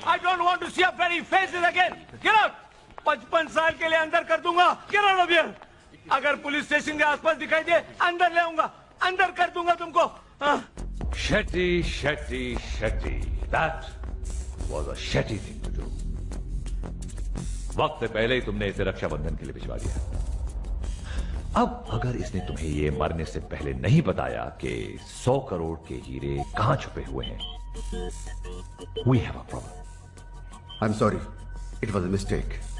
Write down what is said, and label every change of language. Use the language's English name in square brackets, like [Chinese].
[English] I don't want to see your very faces again. Get up! [Hindi] 55 साल के लिए अंदर कर दूंगा। [English] Get out of here! [Hindi] अगर पुलिस स्टेशन के आसपास दिखाई दे, अंदर ले आऊंगा, अंदर कर दूंगा तुमको। [English] Shetty Shetty Shetty, that was a shitty thing to do. [Hindi] वक्त से पहले ही तुमने इसे रक्षाबंधन के लिए भिजवा दिया। अब अगर इसने तुम्हें ये मरने से पहले नहीं बताया कि 100 करोड़ के हीरे कहां छुपे हुए हैं, [English] We have a problem. I'm sorry. It was a mistake.